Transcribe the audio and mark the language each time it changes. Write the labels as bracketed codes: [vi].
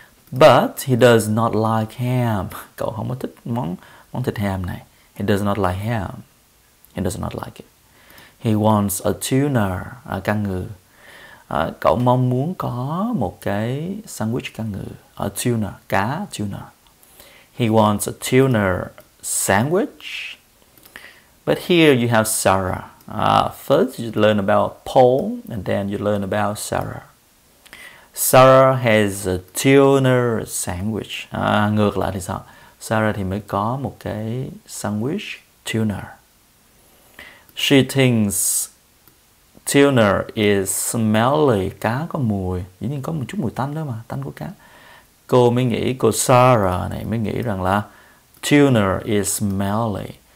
[en] But he does not like ham. [vi] Cậu không có thích món thịt ham này. [en] He does not like ham. He does not like it. He wants a tuna. [vi] Cá ngừ. Cậu mong muốn có một cái sandwich cá ngừ. [en] A tuna, cá tuna. He wants a tuna sandwich. But here you have Sarah. First you learn about Paul and then you learn about Sarah. Sarah has a tuna sandwich. [vi] Ngược lại thì sao? Sarah thì mới có một cái sandwich tuna. [en] She thinks tuna is smelly. [vi] Cá có mùi. Dĩ nhiên có một chút mùi tanh đó mà. Tanh của cá. Cô mới nghĩ, cô Sarah này mới nghĩ rằng là [en] tuna is smelly.